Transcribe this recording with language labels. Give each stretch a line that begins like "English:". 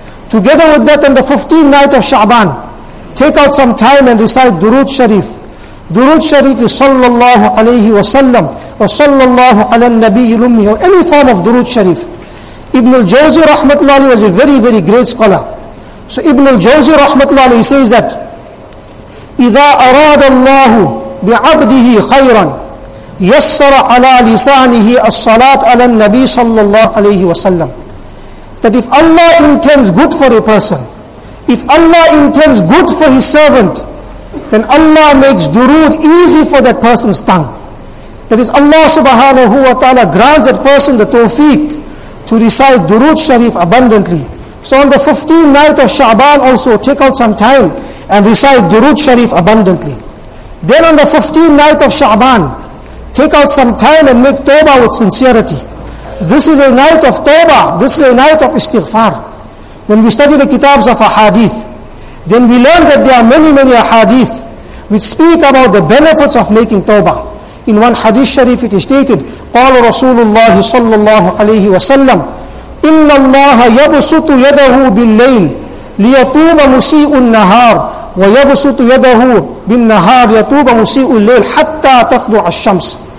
English: Together with that, on the 15th night of Sha'ban, take out some time and recite Durood Sharif. Durood Sharif is sallallahu alayhi wa sallam, or sallallahu ala nabiyyil ummi, or any form of Durood Sharif. Ibn al-Jawzi rahmatullahi was a very, very great scholar. So Ibn al-Jawzi rahmatullahi says that,
Arabic: إِذَا أَرَادَ اللَّهُ بِعَبْدِهِ خَيْرًا يَسَّرَ عَلَى لِسَانِهِ الصَّلَاةَ عَلَى النَّبِي صَلَّى اللَّهُ عَلَيْهِ وَسَلَّمْ.
English: That if Allah intends good for a person, if Allah intends good for his servant, then Allah makes durood easy for that person's tongue. That is, Allah subhanahu wa ta'ala grants that person the tawfiq to recite durood sharif abundantly. So on the 15th night of Sha'ban also, take out some time and recite Durood Sharif abundantly. Then on the 15th night of Sha'ban, take out some time and make Tawbah with sincerity. This is a night of Tawbah, this is a night of Istighfar. When we study the Kitabs of Ahadith, then we learn that there are many, many Ahadith which speak about the benefits of making Tawbah. In one Hadith Sharif it is stated,
Arabic: قال رسول الله صلى الله عليه وسلم, إن الله يبسط يده بالليل لِيَتُوبَ مُسِيءُ النَّهَارِ وَيَبْسُطُ يَدَهُ بِالنَّهَارِ يَتُوبَ مُسِيءُ اللَّيْلِ حَتَّى تَطْلُعَ الشَّمْسِ.